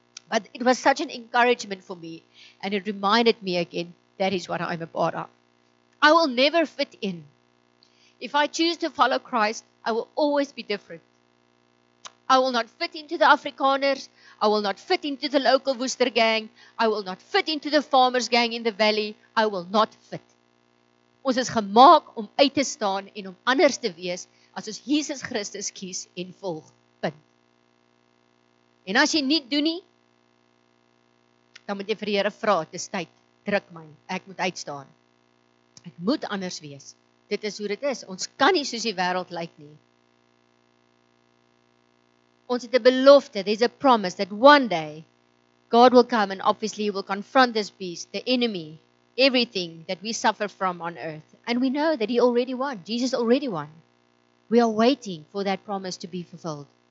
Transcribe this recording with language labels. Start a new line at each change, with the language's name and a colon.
English: But it was such an encouragement for me. And it reminded me again, that is what I'm a part of. I will never fit in. If I choose to follow Christ, I will always be different. I will not fit into the Afrikaners. I will not fit into the local Wooster gang. I will not fit into the farmers gang in the valley. I will not fit.
Afrikaans: Ons is gemaak om uit te staan en om anders te wees as ons Jesus Christus kies en volg. Punt. En as jy nie doen nie, dan moet jy vir die Here vra, dis tyd, druk my, ek moet uitstaan. Ek moet anders wees. Dit is hoe dit is. Ons kan nie soos die wêreld lyk nie. Ons het 'n belofte,
English: there's a promise, that one day, God will come and obviously will confront this beast, the enemy, everything that we suffer from on earth. And we know that he already won. Jesus already won. We are waiting for that promise to be fulfilled.